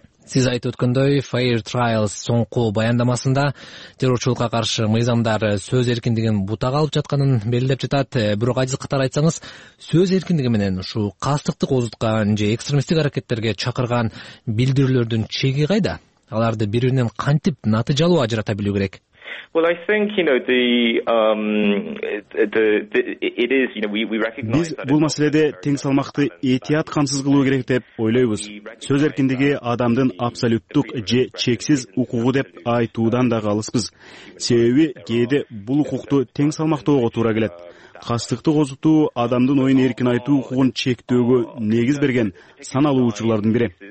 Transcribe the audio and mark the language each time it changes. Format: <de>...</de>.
<ky>Сиз айтып өткөндөй, Fair Trials соңку баяндамасында террорчулукка каршы мыйзамдар сөз эркиндигин бутага алып жатканын белгилеп жатат. Бирок азыр катары айтсаңыз, сөз эркиндиги менен ушул кастыкты козуткан же экстремисттик аракеттерге чакырган билдирүүлөрдүн чеги кайда? Аларды бири бирин кантип натыйжалуу ажырата билүү керек.</ky> <en>Well, I think, you know, it is, you know, we recognize that.</en> <ky>Биз бул маселеде тең салмакты этият камсыз кылуу керек деп ойлойбуз. Сөз эркиндиги адамдын абсолюттук же чексиз укугу деп айтуудан да калыспыз. Себеби кээде бул укукту тең салмактоого туура келет. Кастыкты козутуу адамдын оюн эркин айтуу укугун чектөөгө негиз берген саналуу учурлардын бири.</ky>